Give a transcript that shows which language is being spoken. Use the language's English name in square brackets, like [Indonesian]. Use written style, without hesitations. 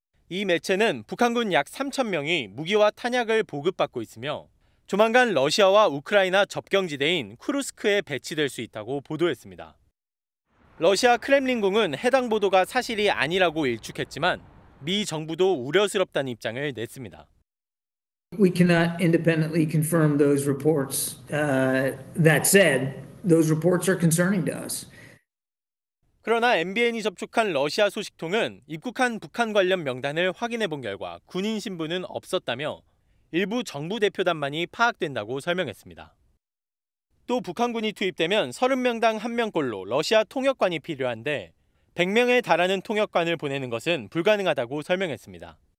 [Korean] 이 매체는 북한군 약 3,000명이 무기와 탄약을 보급받고 있으며 조만간 러시아와 우크라이나 접경지대인 쿠르스크에 배치될 수 있다고 보도했습니다. 러시아 크렘린궁은 해당 보도가 사실이 아니라고 일축했지만 미 정부도 우려스럽다는 입장을 냈습니다. [English] We cannot independently confirm those reports. That said, those reports are concerning to us. [Korean] 그러나 MBN이 접촉한 러시아 소식통은 입국한 북한 관련 명단을 확인해 본 결과 군인 신분은 없었다며 일부 정부 대표단만이 파악된다고 설명했습니다. 또 북한군이 투입되면 30명당 1명꼴로 러시아 통역관이 필요한데 100명에 달하는 통역관을 보내는 것은 불가능하다고 설명했습니다.